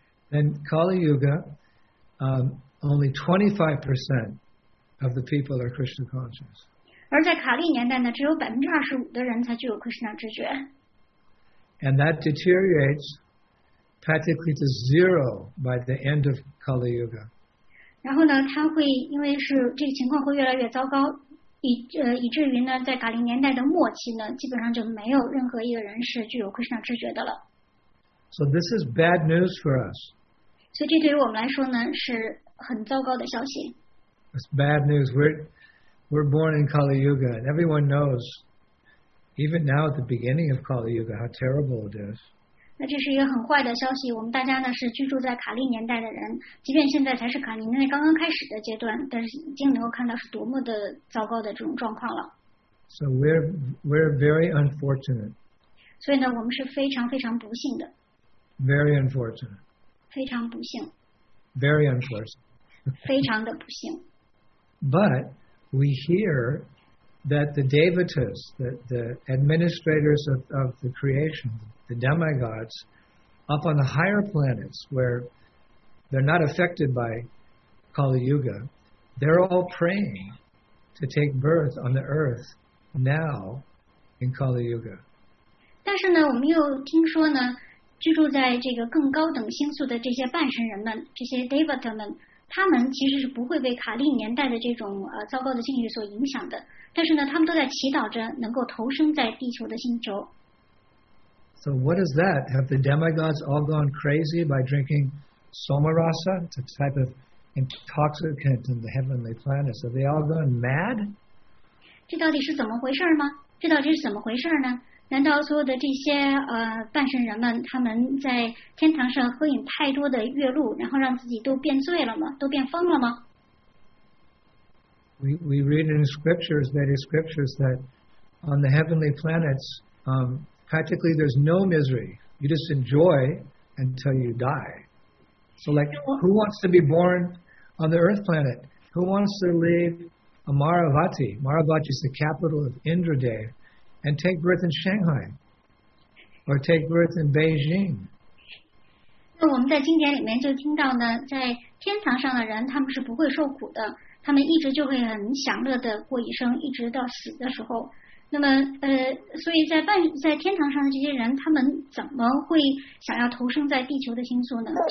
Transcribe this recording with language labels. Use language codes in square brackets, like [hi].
[en] Then Kali Yuga, only 25% of the people are Krishna conscious. [zh] 而在卡利年代呢，只有25%的人才具有 Krishna 知觉。 [en] And that deteriorates. Practically to zero by the end of Kali Yuga. [zh] 然后呢，它会因为是这个情况会越来越糟糕，以至于呢，在卡利年代的末期呢，基本上就没有任何一个人是具有 Krishna 知觉的了。 [en] So this is bad news for us. [zh] 所以这对于我们来说呢，是很糟糕的消息。 [en] It's bad news. We're born in Kali Yuga, and everyone knows, even now at the beginning of Kali Yuga, how terrible it is. [zh] 那这是一个很坏的消息。我们大家呢是居住在卡利年代的人，即便现在才是卡利年代刚刚开始的阶段，但是已经能够看到是多么的糟糕的这种状况了。 [en] So we're very unfortunate. [zh] 所以呢，我们是非常非常不幸的。 [en] Very unfortunate. [zh] 非常不幸。 [en] Very unfortunate. [zh] 非常的不幸。 [en] But we hear that the devatas, the administrators of the creation. The demigods up on the higher planets where they're not affected by Kali Yuga, they're all praying to take birth on the earth now in Kali Yuga. [zh] 但是呢，我们又听说呢，居住在这个更高等星宿的这些半神人们，这些 devata 们，他们其实是不会被卡利年代的这种糟糕的境遇所影响的。但是呢，他们都在祈祷着能够投生在地球的星球。 [en] So what is that? Have the demigods all gone crazy by drinking somarasa? It's a type of intoxicant in the heavenly planets. Have they all gone mad? [zh] 这到底是怎么回事吗？这到底是怎么回事呢？难道所有的这些半神人们，他们在天堂上喝饮太多的月露，然后让自己都变醉了吗？都变疯了吗？ [en] We read in scriptures, many scriptures, that on the heavenly planets, practically, there's no misery. You just enjoy until you die. So, like, who wants to be born on the Earth planet? Who wants to leave Amaravati? Amaravati is the capital of Indradev, and take birth in Shanghai, or take birth in Beijing. [zh] 那我们在经典里面就听到呢，在天堂上的人他们是不会受苦的，他们一直就会很享乐的过一生，一直到死的时候。那么所以在天堂上的这些人，他们怎么会想要投生在地球的星宿呢？